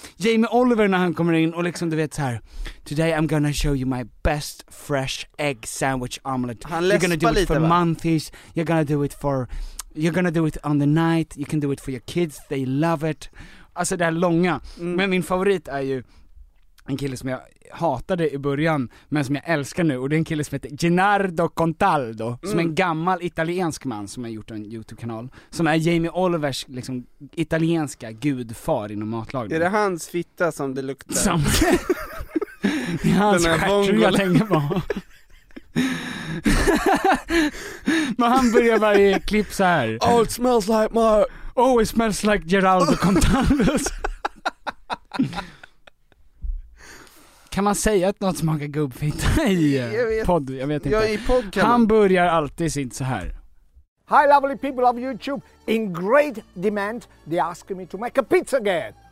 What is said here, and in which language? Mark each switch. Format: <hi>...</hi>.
<sv>Jamie Oliver när han kommer in och liksom, du vet så här:</sv> <en>today I'm gonna show you my best fresh egg sandwich omelette.</en> <sv>Han läspar lite, va?</sv> <en>You're gonna do it for</en> <sv>lite,</sv> <en>monthies. You're gonna do it for... You're gonna do it on the night. You can do it for your kids. They love it.</en> <sv>Alltså det här långa. Men min favorit är ju en kille som jag hatade i början, men som jag älskar nu. Och det är en kille som heter Gennardo Contaldo. Som är en gammal italiensk man som har gjort en YouTube-kanal. Som är Jamie Olivers liksom italienska gudfar inom matlagning. Är det hans fitta som det luktar? Som... det är hans skärtrum jag tänker på. Men han börjar varje klipp så här.</sv> <en>Oh, it smells like my... Oh, it smells like Gennardo Contaldo.</en> <sv>Kan man säga att något smakar gubbfint i podd? Jag vet inte. Jag är i podd, kan han börjar alltid sitt så här.</sv> <en>Hi lovely people of YouTube. In great demand, they ask me to make a pizza again.</en>